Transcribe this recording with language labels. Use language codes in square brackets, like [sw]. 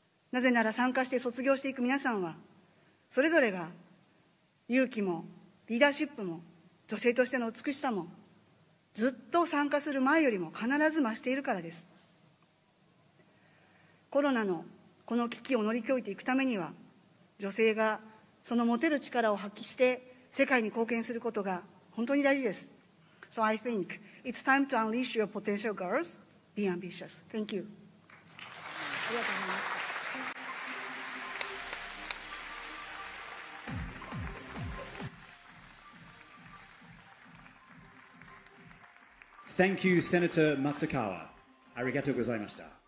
[ja] なぜなら参加して卒業していく皆さんは、それぞれが勇気もリーダーシップも女性としての美しさも、ずっと参加する前よりも必ず増しているからです。コロナのこの危機を乗り越えていくためには、女性がその持てる力を発揮して世界に貢献することが本当に大事です。 [en] So I think it's time to unleash your potential, girls. Be ambitious. Thank you. [ja] ありがとうございました。 [en] Thank you, Senator Matsukawa. [ja] ありがとうございました。